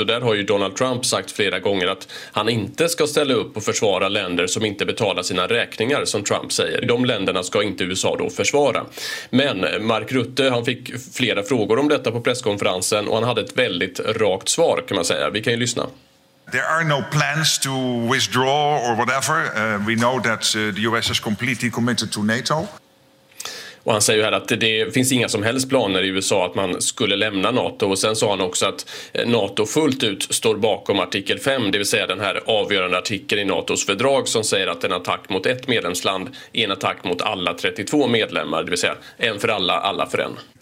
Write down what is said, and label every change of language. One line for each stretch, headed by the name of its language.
Swedish: Och där har ju Donald Trump sagt flera gånger att han inte ska ställa upp och försvara länder som inte betalar sina räkningar, som Trump säger. De länderna ska inte USA då försvara. Men Mark Rutte, han fick flera frågor om detta på presskonferensen och han hade ett väldigt rakt svar, kan man säga. Vi kan ju lyssna.
English: There are no plans to withdraw or whatever. We know that the US is completely committed to NATO.
Swedish: Och han säger ju här att det finns inga som helst planer i USA att man skulle lämna NATO. Och sen sa han också att NATO fullt ut står bakom artikel 5, det vill säga den här avgörande artikeln i NATOs fördrag som säger att en attack mot ett medlemsland är en attack mot alla 32 medlemmar, det vill säga en för alla, alla för en.